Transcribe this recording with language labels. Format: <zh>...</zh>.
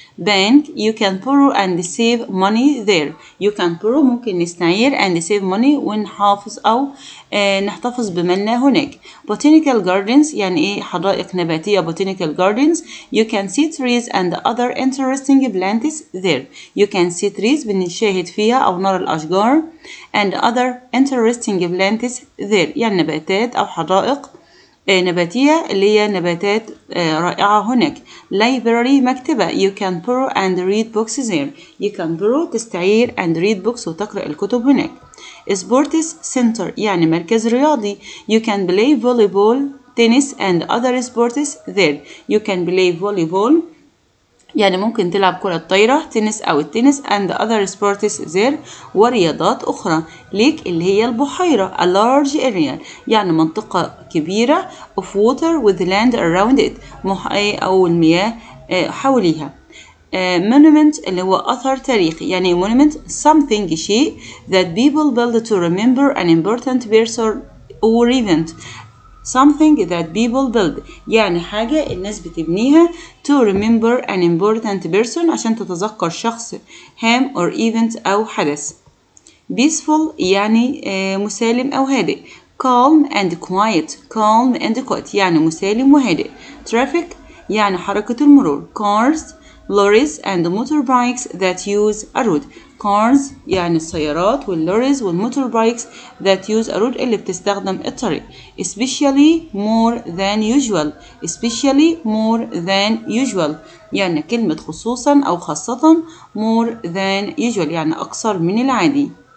<en>bank you can borrow and save money there. you can borrow</en> <ar>ممكن نستعير</ar> <en>and save money</en> <ar>ونحافظ أو نحتفظ بمالنا هناك.</ar> <en>botanical gardens</en> <ar>يعني إيه حدائق نباتية.</ar> <en>botanical gardens. you can see trees and other interesting plants there. you can see trees</en> <ar>بنشاهد فيها أو نرى الأشجار.</ar> <en>and other interesting plants there</en> <ar>يعني نباتات أو حدائق نباتية اللي هي نباتات رائعة هناك.</ar> <en>library مكتبة. you can borrow and read books there. you can borrow تستعير and read books</en> <ar>وتقرأ الكتب هناك. sports center يعني مركز رياضي.</ar> <en>you can play volleyball, tennis and other sports there. you can play volleyball</en> <ar>يعني ممكن تلعب كرة طايرة، تنس أو التنس،</ar> <en>and other sports there،</en> <ar>ورياضات أخرى ليك اللي هي البحيرة</ar> <en>a large area،</en> <ar>يعني منطقة كبيرة</ar> <en>of water with land around it،</en> <ar>محيط أو المياه حولها.</ar> <en>monument</en> <ar>اللي هو أثر تاريخي، يعني</ar> <en>monument something شيء that people build to remember an important person or event. Something that people build</en> <ar>يعني حاجة الناس بتبنيها</ar> <en>to remember an important person</en> <ar>عشان تتذكر شخص هام</ar> <en>or event</en> <ar>أو حدث. Peaceful يعني مسالم أو هادئ.</ar> <en>Calm and quiet. Calm and quiet</en> <ar>يعني مسالم وهادئ. Traffic يعني حركة المرور.</ar> <en>Cars, lorries and motorbikes that use a road.</en> <ar>Cars يعني السيارات واللوريز والموتوربايكس</ar> <en>that use a road</en> <ar>اللي بتستخدم الطريق.</ar> <en>Especially more than usual. Especially more than usual</en> <ar>يعني كلمة خصوصا أو خاصة.</ar> <en>More than usual</en> <ar>يعني أكثر من العادي.</ar>